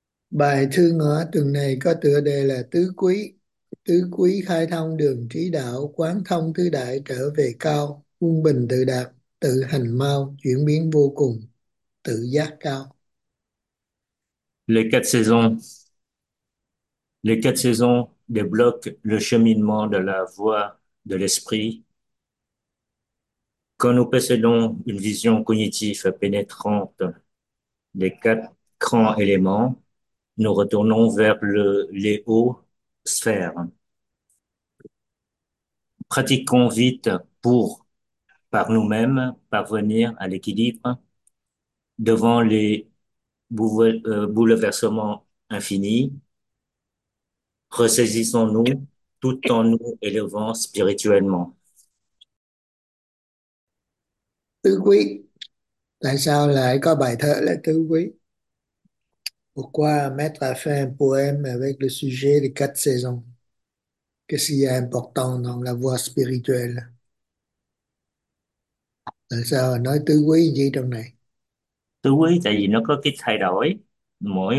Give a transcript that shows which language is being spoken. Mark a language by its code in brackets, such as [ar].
[vi] Bài thơ ngữ tuần này có tựa đề là Tứ Quý. Tứ Quý khai thông đường trí đạo, quán thông tứ đại trở về cao, quân bình tự đạt, tự hành mau, chuyển biến vô cùng, tự giác cao. [fr] Les quatre saisons. Les quatre saisons débloquent le cheminement de la voie de l'esprit. Quand nous possédons une vision cognitive pénétrante des quatre grands éléments, nous retournons vers les hautes sphères. Pratiquons vite pour, par nous-mêmes, parvenir à l'équilibre devant les bouleversements infinis. Ressaisissons-nous tout en nous élevant spirituellement. [vi] Tứ quý, tại sao lại có bài thơ là tứ quý? [fr] Pourquoi mettre fin poème avec le sujet des quatre saisons? Qu'est-ce qui est important dans la voie spirituelle? [vi] Tại sao nói tứ quý gì trong này? Tứ quý tại vì nó có cái thay đổi, mỗi